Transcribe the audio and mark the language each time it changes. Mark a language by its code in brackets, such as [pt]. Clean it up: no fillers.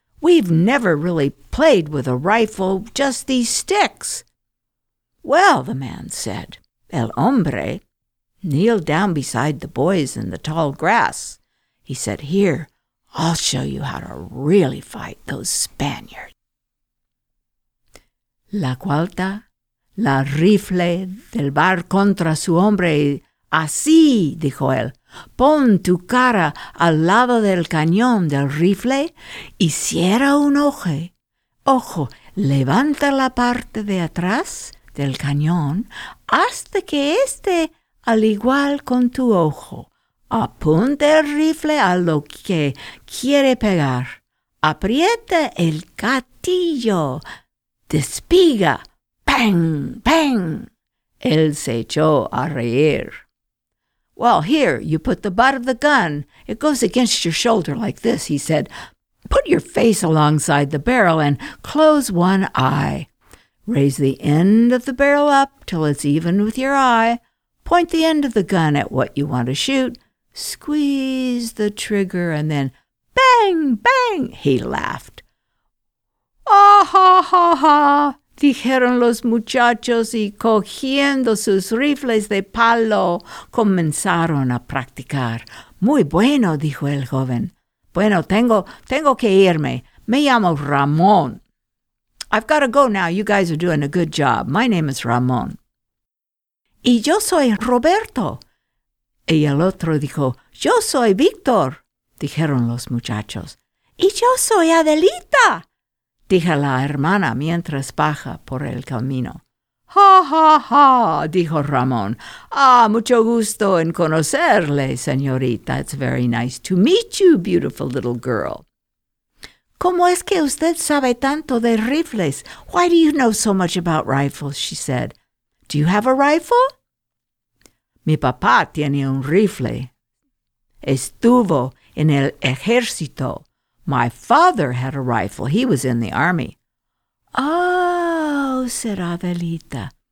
[en] We've never really played with a rifle, just these sticks. Well, the man said. [es] El hombre [en] kneeled down beside the boys in the tall grass. He said, here, I'll show you how to really fight those Spaniards. [es] La cuarta, la rifle del bar contra su hombre. Así, dijo él. Pon tu cara al lado del cañón del rifle y cierra un ojo. Ojo, levanta la parte de atrás del cañón hasta que esté al igual con tu ojo. Apunta el rifle a lo que quiere pegar. Aprieta el gatillo. Despiga. ¡Pang! ¡Pang! Él se echó a reír. [en] Well, here, you put the butt of the gun. It goes against your shoulder like this, he said. Put your face alongside the barrel and close one eye. Raise the end of the barrel up till it's even with your eye. Point the end of the gun at what you want to shoot. Squeeze the trigger and then bang, bang, he laughed. [es] Ah, ha, ha, ha, dijeron los muchachos y cogiendo sus rifles de palo, comenzaron a practicar. Muy bueno, dijo el joven. Bueno, tengo que irme. Me llamo Ramón. [en] I've got to go now. You guys are doing a good job. My name is Ramón. [es] Y yo soy Roberto. Y el otro dijo, yo soy Víctor, dijeron los muchachos. Y yo soy Adelita, dijo la hermana mientras baja por el camino. ¡Ja, ja, ja! Dijo Ramón. ¡Ah, mucho gusto en conocerle, señorita! [en] It's very nice to meet you, beautiful little girl. [es] ¿Cómo es que usted sabe tanto de rifles? [en] Why do you know so much about rifles? She said. Do you have a rifle? [es] Mi papá tiene un rifle. Estuvo en el ejército. [en] My father had a rifle. He was in the army. Oh, said Adelita.